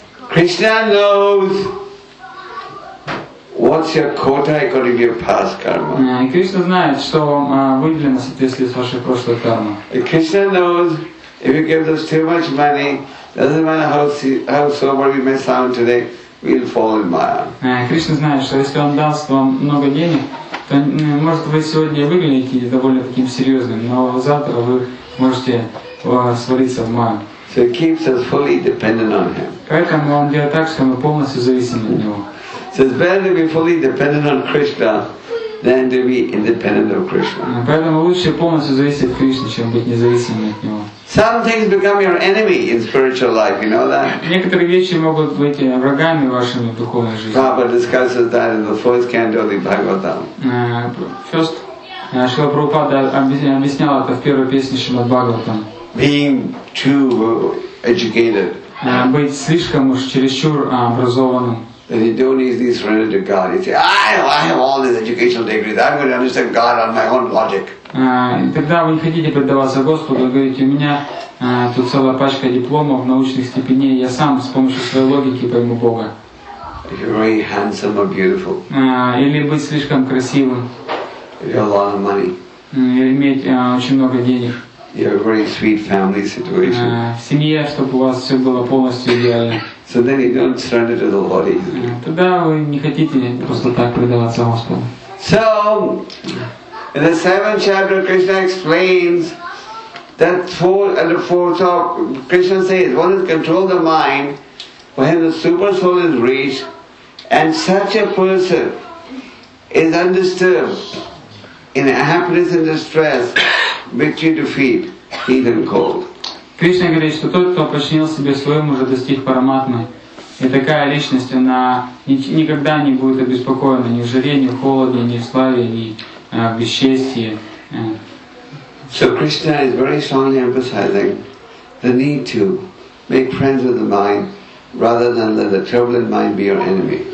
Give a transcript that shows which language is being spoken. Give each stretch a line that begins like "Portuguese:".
English: Krishna knows what's your quota according to your past karma.
Russian: Krishna знает, что выделено соответствии с вашей прошлой кармой.
English: Krishna knows if he gives us too much money, doesn't matter how sober we may sound today, we'll fall in Maya.
Russian: Krishna знает, что если он даст вам много денег, то может вы сегодня выглядите довольно таким серьезным, но завтра вы можете свалиться в Маю.
English: So it keeps us fully dependent on him.
Russian: Поэтому он делает так, что мы полностью зависим от него.
English: So it's better to be fully dependent on Krishna than to be independent of Krishna.
Russian: Поэтому лучше полностью зависеть от Кришны, чем быть независимым от него.
English: Some things become your enemy in spiritual life. You know that.
Russian: Некоторые вещи могут быть врагами вашими в духовной жизни.
English: Prabhupada discusses that in the first canto of the Bhagavatam.
Russian: First, Шрила Прабхупада объяснял это в первой песне Шримад Бхагаватам.
English: Being too educated.
Russian: Быть слишком уж чересчур образованным.
English: That you don't easily surrender to God. You say, I have all these educational degrees. I'm going to understand God on my own logic.
Russian: Тогда вы не хотите предаваться Господу, вы говорите, у меня тут целая пачка дипломов, научных степеней, я сам с помощью своей логики пойму Бога.
English: If you're very handsome or beautiful.
Russian: Или быть слишком красивым.
English: You have a lot of money.
Russian: Или иметь очень много денег.
English: You have a very sweet family situation.
Russian: В семье, чтобы у вас все было полностью идеально.
English: So then you don't surrender to the Lord easily.
Russian: Тогда вы не хотите просто так предаваться Господу.
English: So, in the seventh chapter, Krishna explains that four and the fourth. So Krishna says, one is control the mind, for him the super soul is reached, and such a person is undisturbed in happiness and distress. Victory defeat, heat and cold.
Russian: Кришна говорит, что тот, кто подчинил себе своему, уже достиг параматмы. И такая личность, она никогда не будет обеспокоена ни в жаре, ни в холоде, ни в славе, ни в бесчестии.
English: So Krishna is very strongly emphasizing the need to make friends with the mind rather than let the troubled mind be your enemy.